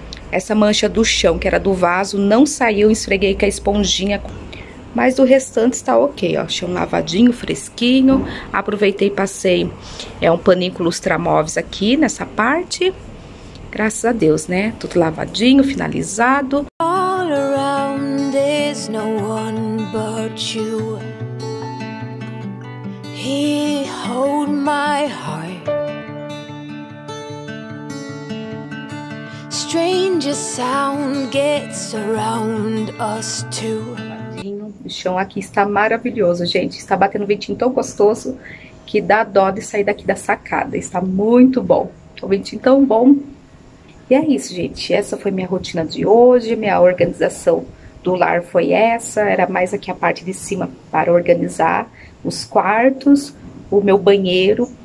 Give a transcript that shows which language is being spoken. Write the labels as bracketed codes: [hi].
[pt] Essa mancha do chão, que era do vaso, não saiu, esfreguei com a esponjinha. Mas o restante está ok, ó. Chão lavadinho, fresquinho. Aproveitei e passei um paninho com lustra móveis aqui nessa parte. Graças a Deus, né? Tudo lavadinho, finalizado. [en] All around is no one but you. He hold my heart. Stranger sound gets around us too. [pt] O chão aqui está maravilhoso, gente. Está batendo um ventinho tão gostoso que dá dó de sair daqui da sacada. Está muito bom. O ventinho tão bom. E é isso, gente. Essa foi minha rotina de hoje. Minha organização do lar foi essa. Era mais aqui a parte de cima para organizar os quartos. O meu banheiro.